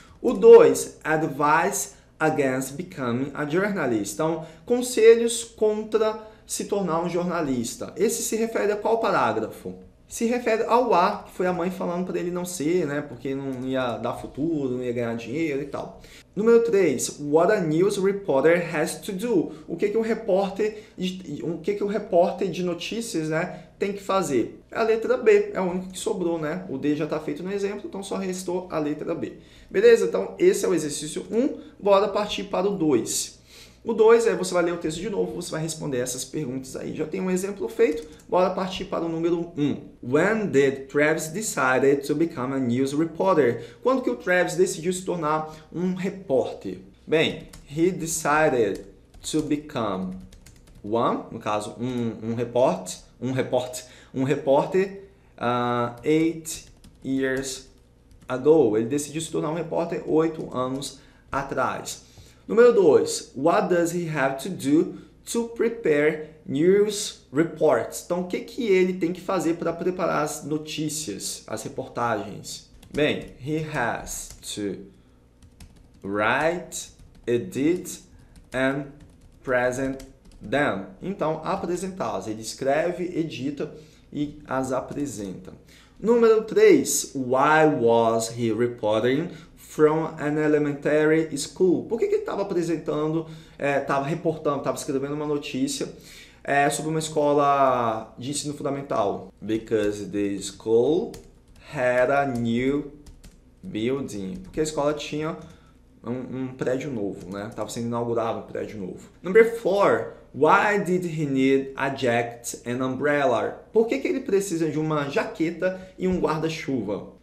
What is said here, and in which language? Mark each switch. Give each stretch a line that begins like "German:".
English: O 2, advice against becoming a journalist.
Portuguese: Então, conselhos contra se tornar um jornalista. Esse se refere a qual parágrafo? Se refere ao A, que foi a mãe falando para ele não ser, né? Porque não ia dar futuro, não ia ganhar dinheiro e tal.
English: Número 3, what a news reporter has to do.
Portuguese: O que um repórter, o que um repórter de notícias, né, tem que fazer? É a letra B, é o único que sobrou, né? O D já está feito no exemplo, então só restou a letra B. Beleza? Então, esse é o exercício 1. Bora partir para o 2. O 2 é você vai ler o texto de novo, você vai responder essas perguntas aí. Já tem um exemplo feito, bora partir para o número 1.
English: When did Travis decide to become a news reporter?
Portuguese: Quando que o Travis decidiu se tornar um repórter? Bem,
English: he decided to become one,
Portuguese: no caso, um repórter,
English: 8 years ago.
Portuguese: Ele decidiu se tornar um repórter 8 anos atrás.
English: Número 2, what does he have to do to prepare news reports?
Portuguese: Então, o que ele tem que fazer para preparar as notícias, as reportagens? Bem,
English: he has to write, edit and present them.
Portuguese: Então, apresentá-las. Ele escreve, edita e as apresenta.
English: Número 3, why was he reporting from an elementary school?
Portuguese: Por que ele estava apresentando, estava reportando, estava escrevendo uma notícia sobre uma escola de ensino fundamental?
English: Because the school had a new building.
Portuguese: Porque a escola tinha um prédio novo, né? Estava sendo inaugurado um prédio novo.
English: Number 4. Why did he need a jacket and umbrella?
Portuguese: Por que ele precisa de uma jaqueta e um guarda-chuva?